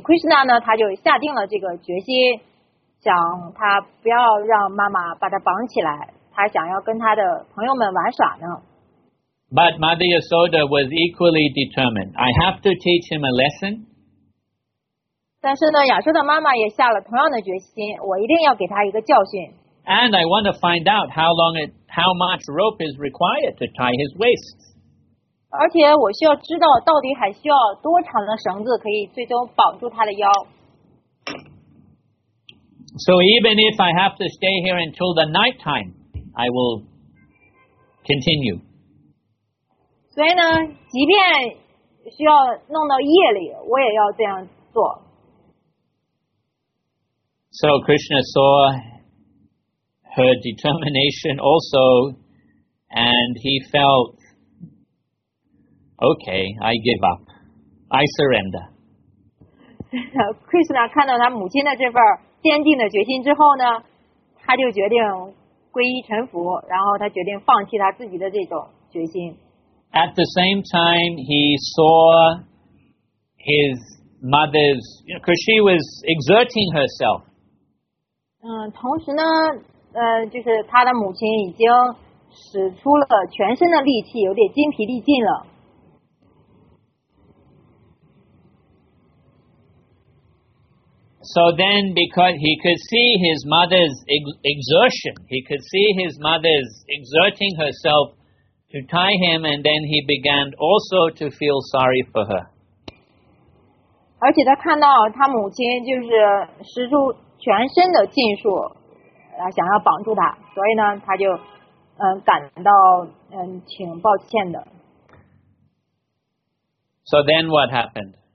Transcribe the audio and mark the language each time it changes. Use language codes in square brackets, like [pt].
[zh] Krishna 呢，他就下定了这个决心，想他不要让妈妈把他绑起来，他想要跟他的朋友们玩耍呢。 [en] But Mother Yasoda was equally determined. I have to teach him a lesson. [zh] 但是呢，亚舒的妈妈也下了同样的决心，我一定要给他一个教训。 [en] And I want to find out how much rope is required to tie his waist. [zh] 而且我需要知道到底还需要多长的绳子可以最终绑住他的腰。 [en] So even if I have to stay here until the night time, I will continue. [zh] 所以呢，即便需要弄到夜里，我也要这样做。 [en] So Krishna saw her determination also, and he felt, "Okay, I give up, I surrender." [zh] Krishna 看到他母亲的这份坚定的决心之后呢，他就决定皈依臣服，然后他决定放弃他自己的这种决心。 [en] At the same time, he saw his mother's, you know, because she was exerting herself. [zh] 同时呢，就是他的母亲已经使出了全身的力气，有点筋疲力尽了。 [en] So then, because he could see his mother's exertion, he could see his mother's exerting herself. To tie him, and then he began also to feel sorry for her. [zh] 而且他看到他母亲就是使出全身的劲数，想要绑住他，所以呢，他就感到挺抱歉的。 [en] So then, what happened?